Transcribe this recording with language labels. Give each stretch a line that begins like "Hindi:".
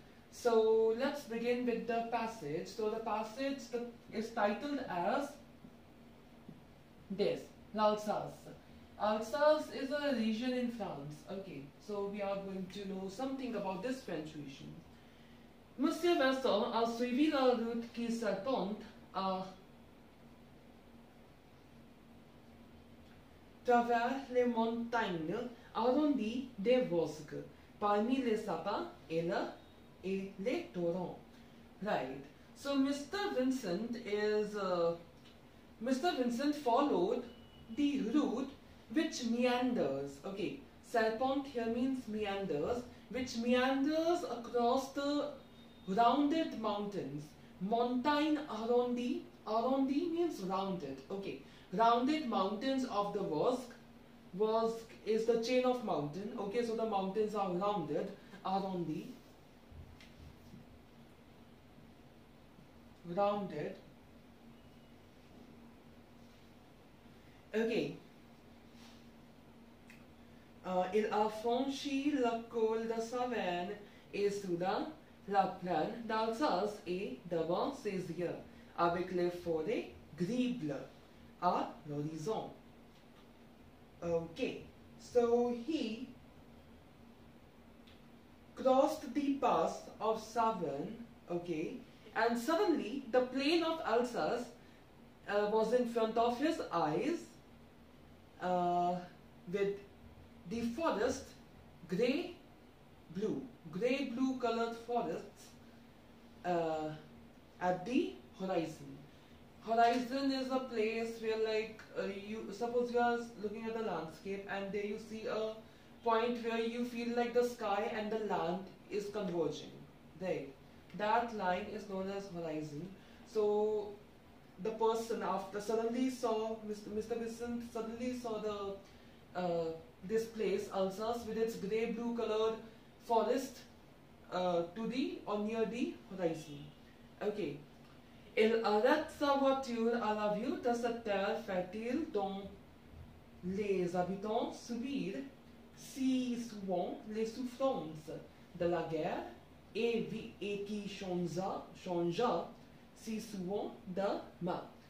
English: So let's begin with the passage. So the passage is titled as this, l'Alsace. Alsace is a region in France. Okay, so we are going to know something about this French region.
French: Monsieur Vincent a suivi la route qui serpente à travers les montagnes arrondies des Vosges, parmi les sapins et les torrents.
English: Right. So Mr. Vincent followed the route which meanders. Okay. Serpent here means meanders, which meanders across the rounded mountains.
French: Montagne arrondie.
English: Arrondie means rounded. Okay. Rounded mountains of the Vosges. Vosges is the chain of mountain. Okay, so the mountains are rounded. Arrondie. Rounded. Okay.
French: Il a franchi le col de Savane et soudain la plaine d'Alsace et devant ses yeux avec les forêts gribles. À l'horizon.
English: Okay, so he crossed the pass of Savane, okay, and suddenly the plain of Alsace was in front of his eyes with the forest, gray blue colored forests at the horizon. Horizon is a place where, like, suppose you are looking at the landscape and there you see a point where you feel like the sky and the land is converging. Right. That line is known as horizon. So, the person after suddenly saw, Mr. Vincent suddenly saw the this place, Alsace, with its grey-blue colored forest to the or near the horizon. Okay.
French: Il arrête sa voiture à la vue de cette terre fertile dont les habitants subirent si souvent les souffrances de la guerre et qui changea si souvent de main.